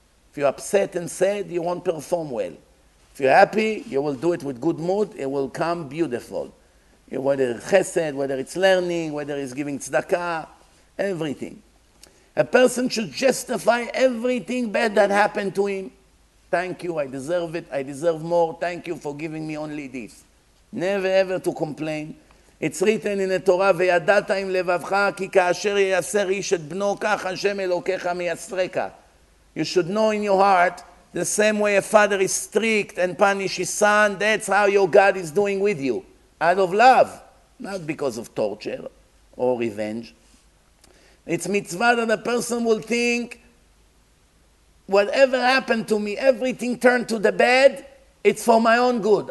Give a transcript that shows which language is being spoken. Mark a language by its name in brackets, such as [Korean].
[English] If you're upset and sad, you won't perform well. If you're happy, you will do it with good mood, it will come beautiful. Whether it's chesed, whether it's learning, whether it's giving tzedakah, everything. A person should justify everything bad that happened to him. Thank you, I deserve it, I deserve more, thank you for giving me only this. Never ever to complain. It's written in the Torah, [Hebrew] ויידעת עם לבבך, כי כאשר ייסר איש את בנו, כך השם אלוקיך מייסרך. [English] You should know in your heart, the same way a father is strict and punish his son, that's how your God is doing with you. Out of love, not because of torture or revenge. It's mitzvah that a person will think, whatever happened to me, everything turned to the bad, it's for my own good.